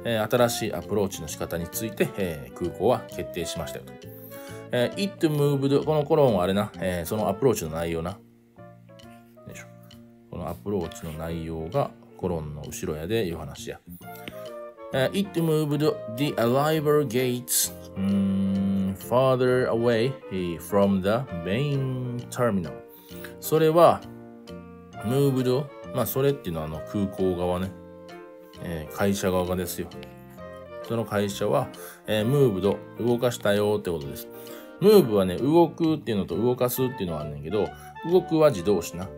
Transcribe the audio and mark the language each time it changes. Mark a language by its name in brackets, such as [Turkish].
[Japanese] 新しいアプローチの仕方について、空港は決定しましたよと。 [English] It moved、 [Japanese] このコロンはあれな、そのアプローチの内容な。アプローチの内容がコロンの後ろやでいう話や。 [English] It moved the arrival gates farther away from the main terminal. [Japanese] それは moved、まあそれっていうのは空港側ね、会社側がですよ。その会社は moved、動かしたよってことです。 move はね、動くっていうのと動かすっていうのはあるんだけど、動くは自動詞な。